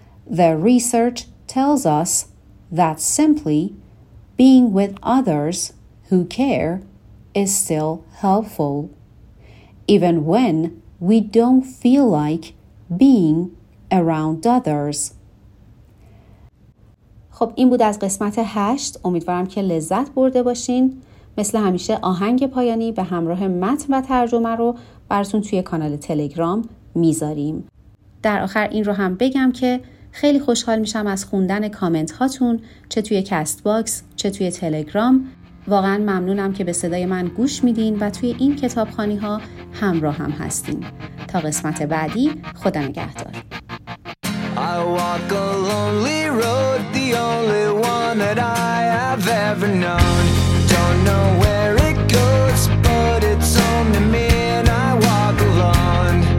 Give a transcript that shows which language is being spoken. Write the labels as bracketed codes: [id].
[en] The research tells us that simply being with others who care is still helpful. Even when we don't feel like being around others. [fa] خب این بود از قسمت 8. امیدوارم که لذت برده باشین. مثل همیشه آهنگ پایانی به همراه متن و ترجمه رو براتون توی کانال تلگرام میذاریم. در آخر این رو هم بگم که خیلی خوشحال میشم از خوندن کامنت هاتون، چه توی کست باکس چه توی تلگرام. واقعا ممنونم که به صدای من گوش میدین و توی این کتابخوانی ها همراه هم هستین. تا قسمت بعدی، خدا نگهدار. [en] I walk a lonely road, the only one that I have ever known. Don't know where it goes, but it's only me and I walk alone.